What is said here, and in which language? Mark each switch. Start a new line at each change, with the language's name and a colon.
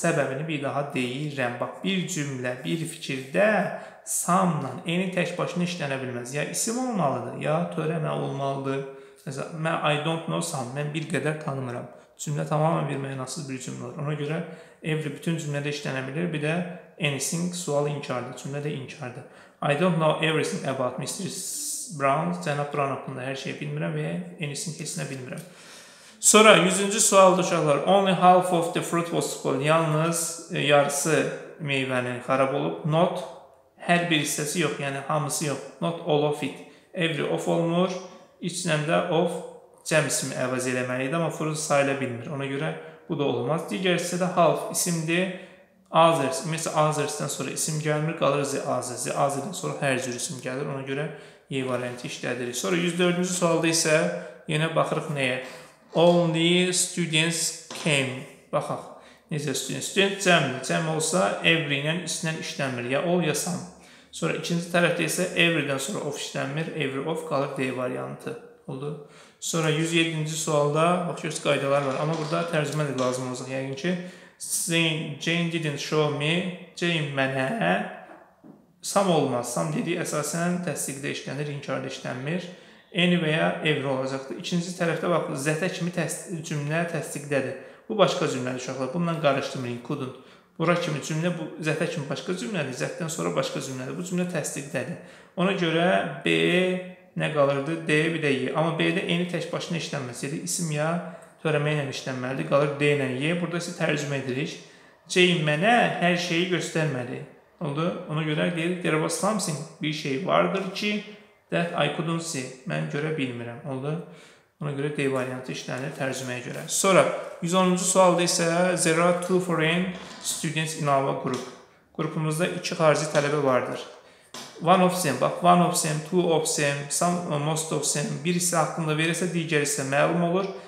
Azerbaijani: Səbəbini bir daha deyirəm. Bax, bir cümlə, bir fikirdə some-la n-i tək başına işlənə bilməz. Ya isim olmalıdır, ya törəmə olmalıdır. Məsələn, mən
English: I don't know some,
Azerbaijani: mən bir qədər tanımıram. Cümlə tamamen bir mənasız bir cümlə olur. Ona görə every bütün cümlədə işlənə bilir. Bir də anything sual inkardır. Cümlə də inkardır.
English: I don't know everything about Mr. Brown.
Azerbaijani: Cənab Brown haqqında hər şeyi bilmirəm və anything heçinə bilmirəm. Sonra 100-cü sualda uşaqlar.
English: Only half of the fruit was spoiled.
Azerbaijani: Yalnız yarısı meyvənin xarab olub. Not hər bir hissəsi yox. Yəni hamısı yox.
English: Not all of it.
Azerbaijani: Every of olmur. İçindən də of cəm ismi əvəz eləməliydi, amma fruit sayıla bilmir. Ona görə bu da olmaz. Digər hissədə half isimdir. Others, məsələn, others-dən sonra isim gəlmir. Qalır zi others. Zi others-dən sonra hər cür isim gəlir. Ona görə Y variantı işlədirik. Sonra 104-cü sualda isə yenə baxırıq nəyə.
English: Only students came.
Azerbaijani: Baxaq, necə student? Student cəmdir. Cəm olsa every ilə üstündən işlənmir. Ya all, ya some. Sonra ikinci tərəfdə isə every-dən sonra of işlənmir. Every of qalır D variantı. Oldu. Sonra 107-ci sualda baxıyoruz qaydalar var. Amma burada tərcümə də lazım olacaq.
English: Yəqin ki, Jane didn't show me.
Azerbaijani: Jane mənə some olmaz. Some dediyi əsasən təsdiqdə işlənir, inkarda işlənmir. Any və ya every olacaqdır. İkinci tərəfdə bax, zətə kimi cümlə təsdiqdədir. Bu başqa cümlədir uşaqlar. Bununla qarışdırmayın, kudun. Bura kimi cümlə, bu zətə kimi başqa cümlədir. Zətdən sonra başqa cümlədir. Bu cümlə təsdiqdədir. Ona görə B nə qalırdı? D, bir də Y. Amma B-də eyni tək başına işlənməz. Yəni isim ya törəmə ilə işlənməli. Qalır D ilə Y. Burada isə tərcümə edirik. C mənə hər şeyi göstərməli. Oldu? Ona görə deyirik,
English: there was something,
Azerbaijani: bir şey vardır ki,
English: that I couldn't see.
Azerbaijani: Mən görə bilmirəm. Oldu? Ona görə D variantı işlənir tərcüməyə görə. Sonra 110-cu sualda isə
English: there are two foreign students in our group.
Azerbaijani: Qrupumuzda iki xarici tələbə vardır.
English: One of them, bax, one of them, two of them, some, most of them,
Azerbaijani: birisi haqqında verirsə, digəri isə məlum olur.